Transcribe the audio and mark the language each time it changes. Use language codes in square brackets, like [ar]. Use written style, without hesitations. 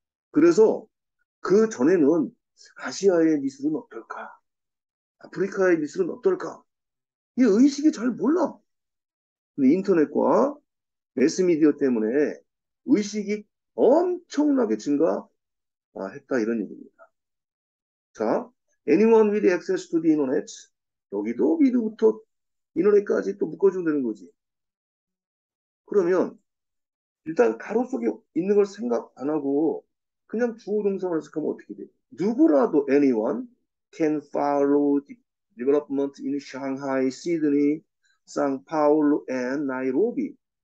[ko] 그래서 그 전에는 아시아의 미술은 어떨까? 아프리카의 미술은 어떨까? 이 의식이 잘 몰라. 근데 인터넷과 매스미디어 때문에 의식이 엄청나게 증가했다, 이런 얘기입니다. [en] 자, anyone with access to the internet. [ko] 여기도 위드부터 인터넷까지 또 묶어주면 되는 거지. 그러면 일단 가로 속에 있는 걸 생각 안 하고 그냥 주어 동사만 해석하면 어떻게 돼? 누구라도 [en] anyone can follow the development in Shanghai, Sydney, São Paulo and Nairobi.